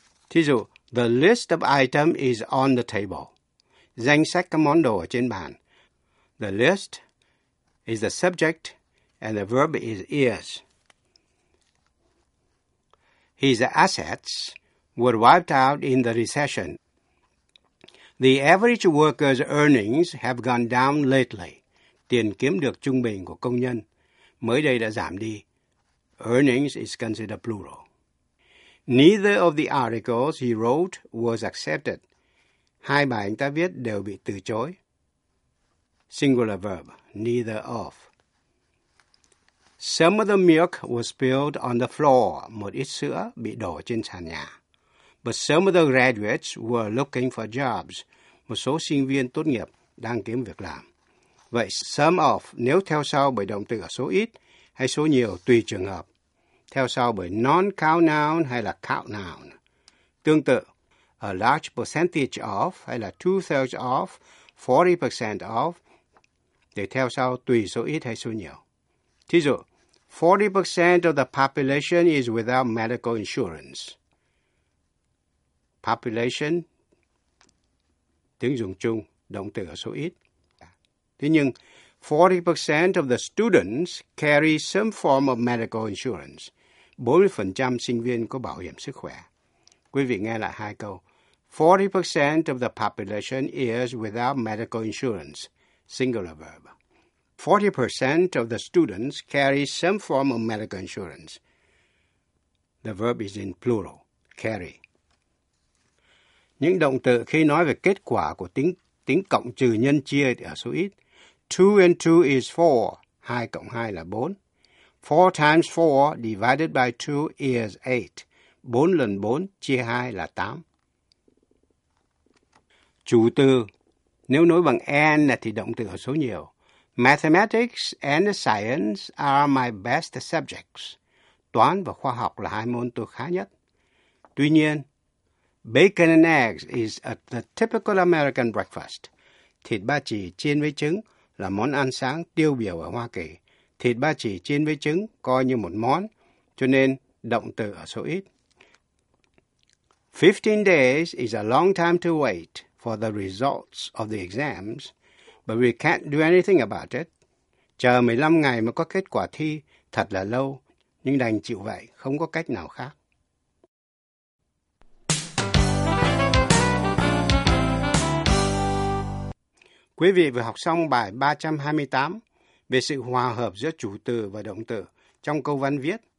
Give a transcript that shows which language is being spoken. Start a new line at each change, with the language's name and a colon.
Vietnamese: Thí dụ,
English: the list of items is on the table.
Vietnamese: Danh sách các món đồ ở trên bàn.
English: The list is the subject and the verb is is. His assets were wiped out in the recession. The average worker's earnings have gone down lately.
Vietnamese: Tiền kiếm được trung bình của công nhân mới đây đã giảm đi.
English: Earnings is considered plural. Neither of the articles he wrote was accepted.
Vietnamese: Hai bài anh ta viết đều bị từ chối.
English: Singular verb, neither of. Some of the milk was spilled on the floor.
Vietnamese: Một ít sữa bị đổ trên sàn nhà.
English: But some of the graduates were looking for jobs.
Vietnamese: Một số sinh viên tốt nghiệp đang kiếm việc làm. Vậy some of, nếu theo sau bởi động từ ở số ít hay số nhiều tùy trường hợp. Theo sau bởi non-count noun hay là count noun. Tương tự,
English: a large percentage of
Vietnamese: hay là
English: two-thirds of,
Vietnamese: 40% of, để theo sau tùy số ít hay số nhiều. Thí dụ,
English: 40% of the population is without medical insurance.
Vietnamese: Population, tiếng dùng chung, động từ ở số ít. Thế nhưng,
English: 40% of the students carry some form of medical insurance.
Vietnamese: 40% sinh viên có bảo hiểm sức khỏe. Quý vị nghe lại hai câu.
English: 40% of the population is without medical insurance. Singular verb. 40% of the students carry some form of medical insurance. The verb is in plural. Carry.
Vietnamese: Những động từ khi nói về kết quả của tính cộng trừ nhân chia ở số ít.
English: 2 and 2 is 4.
Vietnamese: 2 cộng 2 là 4.
English: 4 times 4 divided by 2 is 8.
Vietnamese: 4 lần 4 chia 2 là 8. Chủ từ, nếu nối bằng and thì động từ ở số nhiều.
English: Mathematics and science are my best subjects.
Vietnamese: Toán và khoa học là hai môn tôi khá nhất. Tuy nhiên,
English: bacon and eggs is a typical American breakfast.
Vietnamese: Thịt ba chỉ chiên với trứng là món ăn sáng tiêu biểu ở Hoa Kỳ. Thịt ba chỉ chiên với trứng coi như một món, cho nên động từ ở số ít.
English: 15 days is a long time to wait for the results of the exams, but we can't do anything about it.
Vietnamese: Chờ 15 ngày mới có kết quả thi, thật là lâu, nhưng đành chịu vậy, không có cách nào khác. Quý vị vừa học xong bài 328 về sự hòa hợp giữa chủ từ và động từ trong câu văn viết.